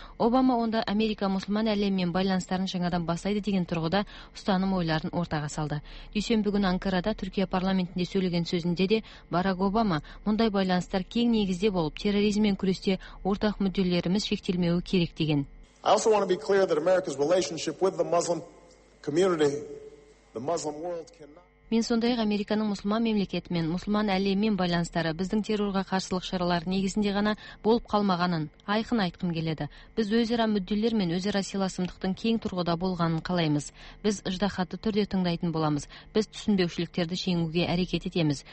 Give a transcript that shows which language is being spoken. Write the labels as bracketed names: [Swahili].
[Kazakh] Обама онда Америка мұсылман әлемімен байланыстарын жаңадан бастайды деген тұрғыда ұстаным ойларын ортаға салды. Дүйсенбі күні Анкарада Түркия парламентінде сөйлеген сөзінде де Барак Обама, мұндай байланыстар кең негізде болып, терроризммен күресте ортақ мүдделеріміз шектелмеуі керек деген. [English] I also want to be clear that America's relationship with the Muslim community, the Muslim world cannot... [Kazakh] Мен сондай-ақ Американың мұсылман мемлекетімен, мұсылман әлемімен байланыстары біздің террорға қарсылық шаралары негізінде ғана болып қалмағанын айқын айтқым келеді. Біз өзара мүдделер мен өзара сыйласымдықтың кең тұрғыда болғанын қалаймыз. Біз ыждахатты түрде тыңдайтын боламыз. Біз түсінбеушіліктерді жеңуге әрекет етеміз.